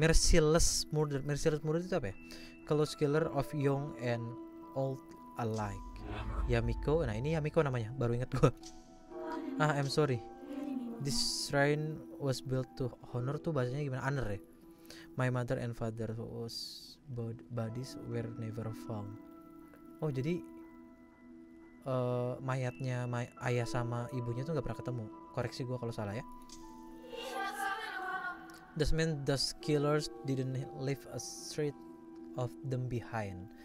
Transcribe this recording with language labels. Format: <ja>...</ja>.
<en>Merciless murder. Merciless murder</en> <id>itu apa ya?</id> <en>Close killer of young and old alike. Yamiko.</en> <id>Nah, ini Yamiko namanya. Baru ingat gue.</id> <en>Ah, I'm sorry. This shrine was built to honor tuh.</en> <id>Bahasanya gimana?</id> <en>Honor ya? My mother and father was bodies were never found.</en> <id>Oh, jadi mayatnya ayah sama ibunya tuh gak pernah ketemu. Koreksi gue kalau salah ya.</id> <en>This means the killers didn't leave a trace of them behind.</en>